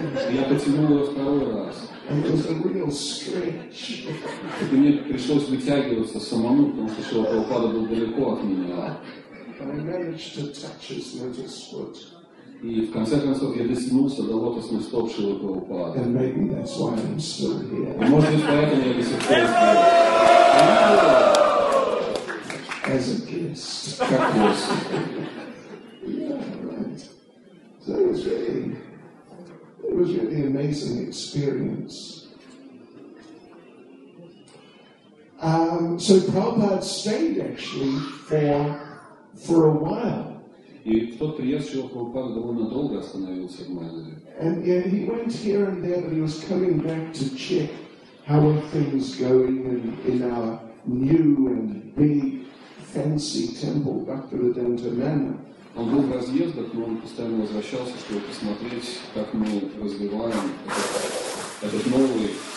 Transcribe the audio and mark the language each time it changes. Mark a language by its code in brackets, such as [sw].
[ru] Я потянул его второй раз. [en] It was a real stretch. [ru] И мне пришлось вытягиваться самому, потому что Шрила Прабхупада был далеко от меня. [en] I managed to touch his lotus foot. [ru] И в конце концов я дотянулся до лотосных стоп Шрилы Прабхупады. [en] And maybe that's why I'm still here. [ru] Может быть, поэтому я до сих пор здесь. [en] As a guest. [ru] Как гость. [en] It was really an amazing experience. So Prabhupada stayed actually for a while. [ru] И тот приезд Шрилы Прабхупады довольно долго остановился в Майнере. [en] And yeah, he went here and there, but he was coming back to check how are things going in our new and big fancy temple, Bhaktivedanta Manor. [ru] Он был в разъездах, но он постоянно возвращался, чтобы посмотреть, как мы развиваем этот новый...